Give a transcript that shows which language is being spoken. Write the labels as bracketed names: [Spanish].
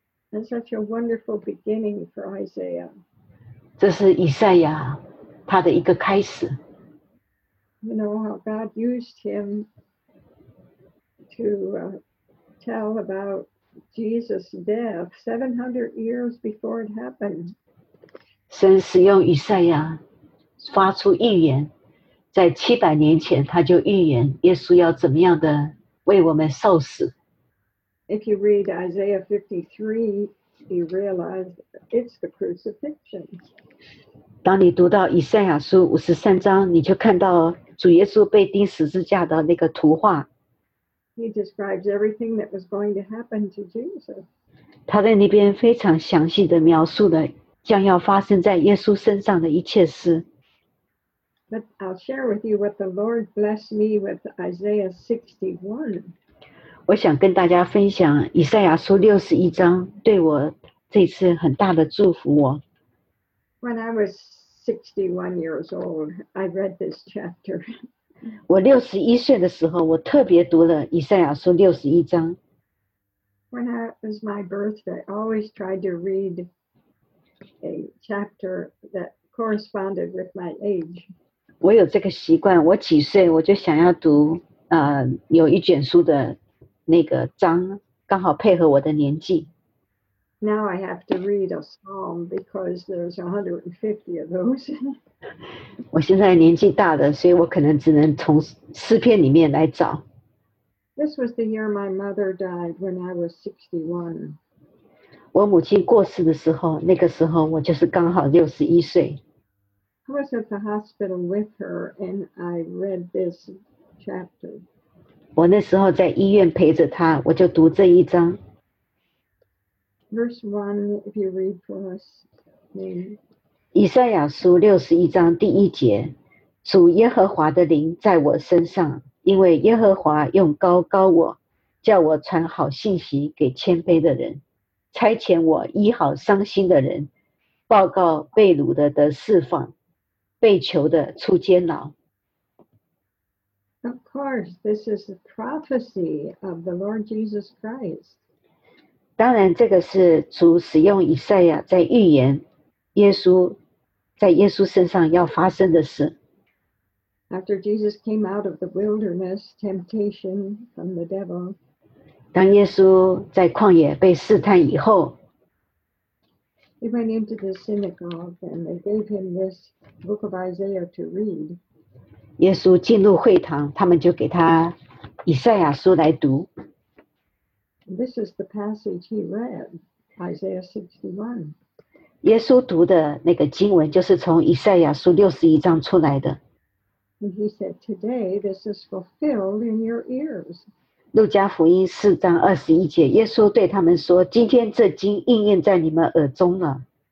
[English] That's such a wonderful beginning for Isaiah. [Chinese] 这是以赛亚他的一个开始。 [English] You know how God used him to tell about Jesus' death 700 years before it happened. [Chinese] 神使用以赛亚发出预言。在700年前他就预言耶稣要怎么样的为我们受死。 [English] If you read Isaiah 53, you realize it's the crucifixion. [Chinese] 当你读到以赛亚书53章，你就看到主耶稣被钉十字架的那个图画。 [English] He describes everything that was going to happen to Jesus. [Chinese] 他在那边非常详细的描述了将要发生在耶稣身上的一切事。 [English] But I'll share with you what the Lord blessed me with Isaiah 61. [Chinese] 我想跟大家分享以赛亚书61章对我这次很大的祝福哦。 [English] When I was 61 years old, I read this chapter. [Chinese] 我61岁的时候，我特别读了以赛亚书61章。 [English] When it was my birthday, I always tried to read a chapter that corresponded with my age. [Chinese] 我有这个习惯，我几岁我就想要读有一卷书的那个章，刚好配合我的年纪。 [English] Now I have to read a psalm because there's 150 of those. [Chinese] 我现在年纪大了，所以我可能只能从诗篇里面来找。 [English] This was the year my mother died when I was 61. [Chinese] 我母亲过世的时候，那个时候我就是刚好61岁。 [English] I was at the hospital with her, and I read this chapter. [Chinese] 我那时候在医院陪着她，我就读这一章。 [English] Verse 1, if you read for us, maybe. [Chinese] 以赛亚书61章第一节，主耶和华的灵在我身上，因为耶和华用膏膏我，叫我传好信息给谦卑的人，差遣我医好伤心的人，报告被掳的得释放。被囚的出监牢。 [English] Of course, this is a prophecy of the Lord Jesus Christ. [Chinese] 当然，这个是主使用以赛亚在预言耶稣在耶稣身上要发生的事。 [English] After Jesus came out of the wilderness, temptation from the devil. [Chinese] 当耶稣在旷野被试探以后。 [English] He went into the synagogue and they gave him this book of Isaiah to read. [Chinese] 耶稣进入会堂，他们就给他以赛亚书来读。 [English] This is the passage he read, Isaiah 61. [Chinese] 耶稣读的那个经文就是从以赛亚书61章出来的。 [English] And he said, today this is fulfilled in your ears. [Chinese] 路加福音四章二十一节，耶稣对他们说，今天这经应验在你们耳中了。